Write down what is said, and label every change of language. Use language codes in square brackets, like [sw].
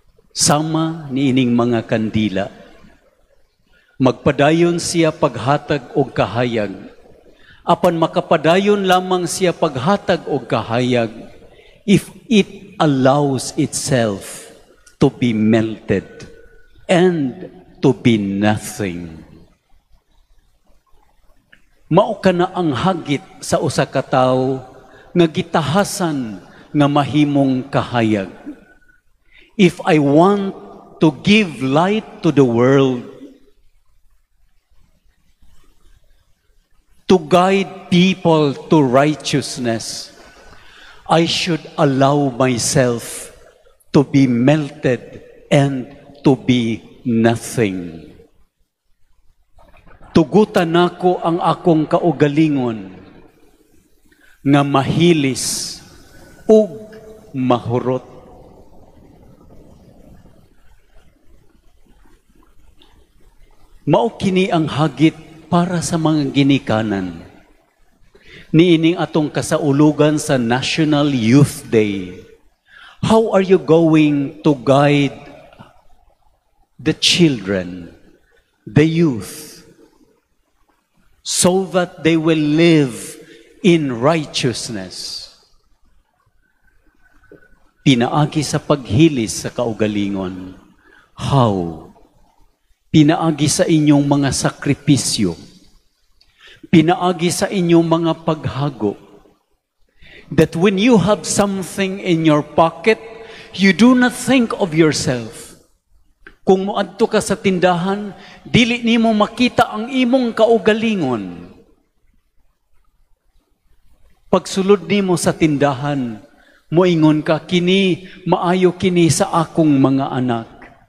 [ceb] Sama niining mga kandila, magpadayon siya paghatag og kahayag, apan makapadayon lamang siya paghatag og kahayag [en] if it allows itself to be melted and to be nothing. [ceb] Mao ka na ang hagit sa usa ka tawo nga gitahasan nga mahimong kahayag. [en] If I want to give light to the world, to guide people to righteousness, I should allow myself to be melted and to be nothing. [ceb] Tugutan nako ang akong kaugalingon nga mahilis ug mahurot. Mao kini ang hagit para sa mga ginikanan niining atong kasaulugan sa National Youth Day. [en] How are you going to guide the children, the youth, so that they will live in righteousness? [ceb] Pinaagi sa paghilis sa kaugalingon. How? Pinaagi sa inyong mga sakripisyo. Pinaagi sa inyong mga paghago. [en] That when you have something in your pocket, you do not think of yourself. [ceb] Kung muadto ka sa tindahan, dili nimo makita ang imong kaugalingon. Pagsulod nimo sa tindahan, moingon ka, kini maayo kini sa akong mga anak.